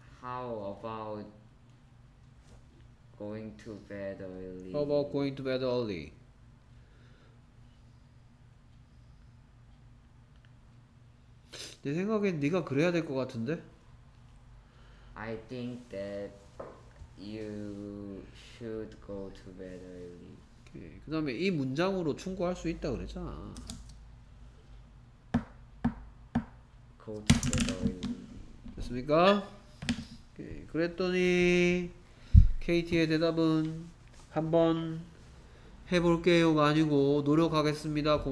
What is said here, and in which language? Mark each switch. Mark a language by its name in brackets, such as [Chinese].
[English] How about going to bed How about early? going to bed early? [Korean] 내 생각엔 네가 그래야 될것 같은데? [English] I think that you should go to bed early. [Korean] 오케이. 그 다음에 이 문장으로 충고할 수 있다 그랬잖아. [English] Go to bed early. [Korean] 됐습니까? 오케이. 그랬더니 KT의 대답은 한번 해볼게요가 아니고 노력하겠습니다.